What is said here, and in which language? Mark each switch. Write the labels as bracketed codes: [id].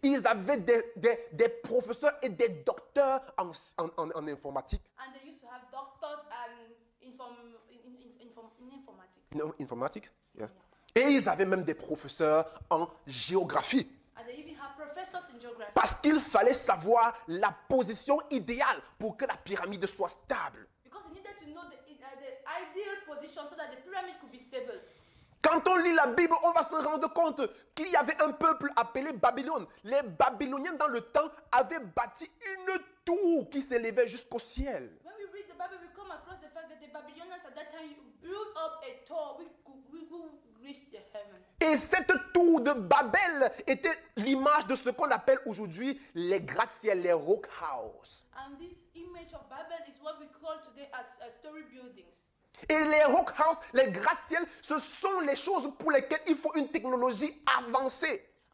[fr] Ils avaient des professeurs et des docteurs en informatique. [en] And they used to have doctors and in informatique. Informatique? Yes. Yeah. [fr] Et ils avaient même des professeurs en géographie. [en] And they even have professors in geography. [fr] Parce qu'il fallait savoir la position idéale pour que la pyramide soit stable. [en] Because they needed to know the ideal position so that the pyramid could be stable. [fr] Quand on lit la Bible, on va se rendre compte qu'il y avait un peuple appelé Babylone. Les Babyloniens, dans le temps, avaient bâti une tour qui s'élevait jusqu'au ciel. [en] When we read the Bible, we come across the fact that the Babylonians at that time built up a tower which reached the heaven. [fr] Et cette tour de Babel était l'image de ce qu'on appelle aujourd'hui les gratte-ciel, les rock houses. [en] And this image of Babel is what we call today as story buildings. [fr] Et les rock houses, les gratte-ciels, ce sont les choses pour lesquelles il faut une technologie avancée.